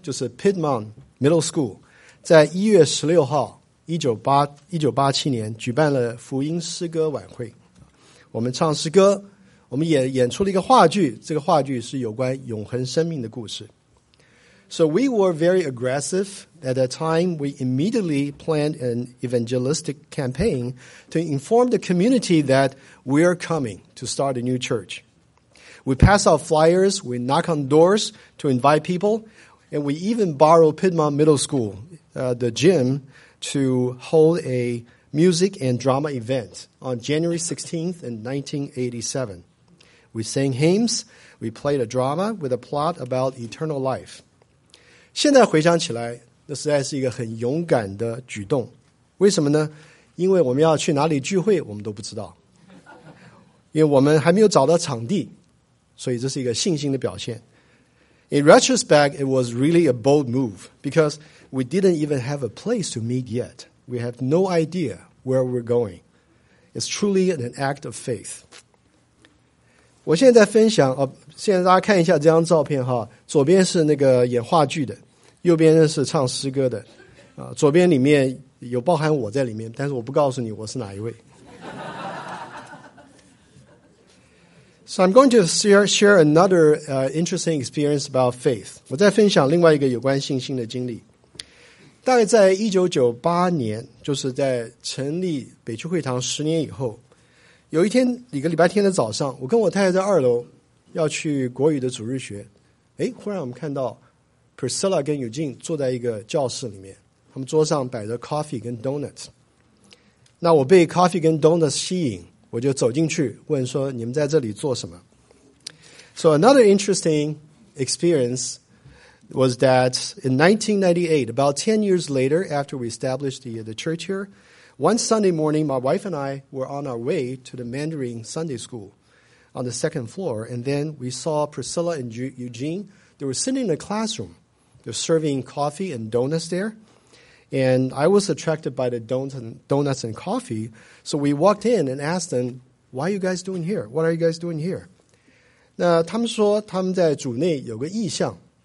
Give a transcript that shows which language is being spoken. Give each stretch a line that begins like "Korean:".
Chinese: 就是 Piedmont Middle School， 在1月16号1987年举办了福音诗歌晚会。我们唱诗歌，我们也演出了一个话剧，这个话剧是有关永恒生命的故事。
English: So we were very aggressive. At that time, we immediately planned an evangelistic campaign to inform the community that we are coming to start a new church. We pass out flyers, we knock on doors to invite people, and we even borrow Piedmont Middle School, the gym, to hold a music and drama event on January 16th in 1987. We sang hymns, we played a drama with a plot about eternal life.
Chinese: 现在回想起来，那实在是一个很勇敢的举动。为什么呢？因为我们要去哪里聚会，我们都不知道。因为我们还没有找到场地，所以这是一个信心的表现。
English: In retrospect, it was really a bold move because we didn't even have a place to meet yet. We have no idea where we're going. It's truly an act of faith.
Chinese: 我现在分享哦。现在大家看一下这张照片哈，左边是那个演话剧的，右边是唱诗歌的，啊，左边里面有包含我在里面，但是我不告诉你我是哪一位。
English: So I'm going to share another interesting experience about faith.
Chinese: 我再分享另外一个有关信心的经历。大概在1998年，就是在成立北区会堂10年以后，有一天一个礼拜天的早上，我跟我太太在二楼。要去国语的主日学，哎，忽然我们看到 Priscilla 跟 Eugene 坐在一个教室里面，他们桌上摆着 coffee 跟 donuts。那我被 coffee 跟 donuts 吸引，我就走进去问说：“你们在这里做什么？”
English: So another interesting experience was that in 1998, about 10 years later after we established the church here, one Sunday morning, my wife and I were on our way to the Mandarin Sunday School. On the second floor, and then we saw Priscilla and Eugene. They were sitting in a classroom. They're serving coffee and donuts there. And I was attracted by the donuts and coffee. So we walked in and asked them, why are you guys doing here? What are you guys doing here?
Chinese: 那他们说他们在主内有个意向。